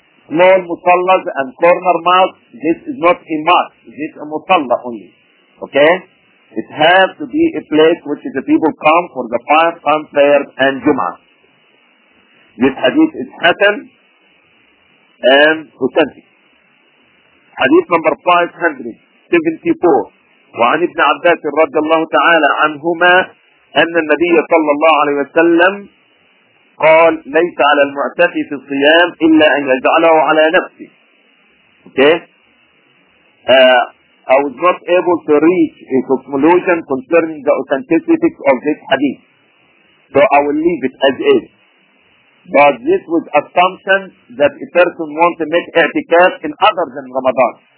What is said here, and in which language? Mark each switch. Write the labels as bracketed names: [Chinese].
[English] Small musallas and corner mosque, this is not a mosque. This is a musalla only. Okay? It has to be a place which the people come for the five time prayers and Jum'ah. This hadith is Hassan and authentic. Hadith number 574. [Arabic] وعن ابن عباس رضي الله تعالى عنهما أن النبي صلى الله عليه وسلم قال ليس على المعتكف في الصيام إلا أن يجعله على نفسه. [English] Okay. I was not able to reach a conclusion concerning the authenticity of this hadith. So I will leave it as is. But this was assumption that a person wants to make i'tikaf in other than Ramadan.